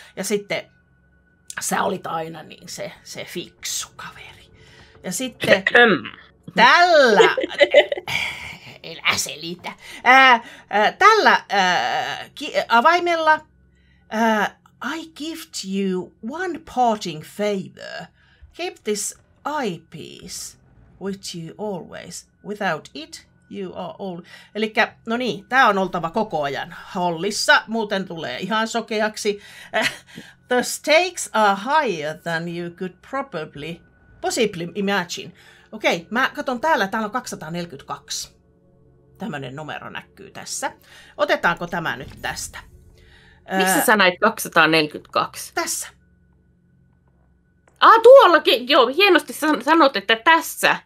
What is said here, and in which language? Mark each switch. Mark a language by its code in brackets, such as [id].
[fi] Ja sitten sä olit aina niin se fiksu kaveri. Ja sitten tällä, elä selitä, tällä avaimella, [en] I gift you one parting favor. Keep this eyepiece with you always. Without it, you are all. [fi] Elikkä, no niin, tää on oltava koko ajan hollissa, muuten tulee ihan sokeaksi. [en] The stakes are higher than you could possibly imagine. [fi] Okei, mä katson täällä on 242. Tämmönen numero näkyy tässä. Otetaanko tämä nyt tästä? Missä sä näit 242? Tässä. Tuollakin. Joo, hienosti sanot, että tässä.